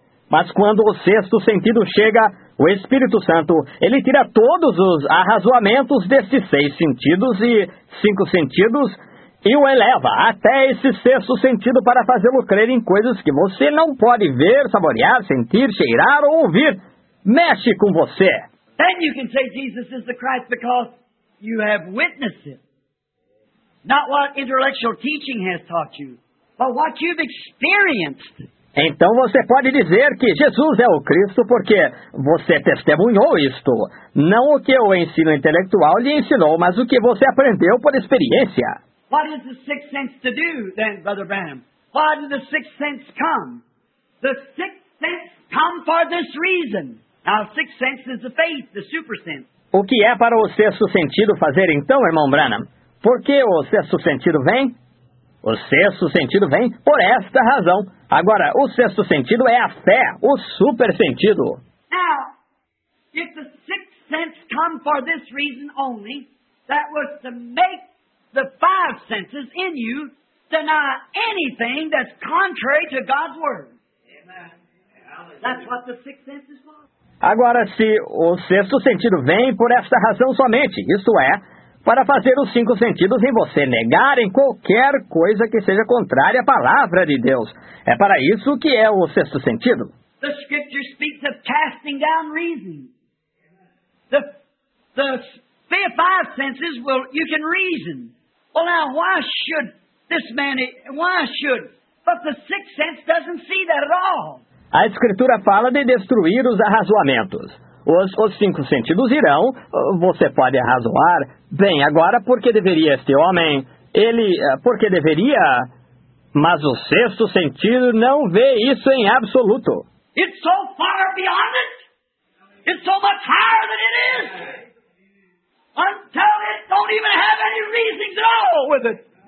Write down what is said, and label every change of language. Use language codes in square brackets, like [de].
[pt] Mas quando o sexto sentido chega, o Espírito Santo, ele tira todos os arrazoamentos desses seis sentidos e cinco sentidos e o eleva até esse sexto sentido para fazê-lo crer em coisas que você não pode ver, saborear, sentir, cheirar ou ouvir. Mexe com você. [en] Then you can say Jesus is the Christ because you have witnessed it. Not what intellectual teaching has taught you, but what you've experienced. [pt] Então você pode dizer que Jesus é o Cristo porque você testemunhou isto. Não o que o ensino intelectual lhe ensinou, mas o que você aprendeu por experiência. [en] What is the sixth sense to do then, Brother Branham? Why did the sixth sense come? The sixth sense come for this reason. Now, sixth sense is the faith, the super sense. [pt] O que é para o sexto sentido fazer então, irmão Branham? Por que o sexto sentido vem? O sexto sentido vem por esta razão. Agora, o sexto sentido é a fé, o super sentido. [en] Now, if the sixth sense come for this reason only, that was to make the five senses in you deny anything that's contrary to God's word. Amen. That's what the sixth sense is for. [pt] Agora, se o sexto sentido vem por esta razão somente, isto é, para fazer os cinco sentidos em você negarem qualquer coisa que seja contrária à palavra de Deus. É para isso que é o sexto sentido. [en] The scripture speaks of casting down reason. The five senses, well, you can reason. Well, now, why should this man, why should? But the sixth sense doesn't see that at all. [pt] A Escritura fala de destruir os arrazoamentos. Os cinco sentidos irão, você pode arrazoar. Bem, agora, por que deveria este homem? Ele, por que deveria? Mas o sexto sentido não vê isso em absoluto. [en] It's so far beyond it. It's so much higher than it is. Until it don't even have any reasons at all with it.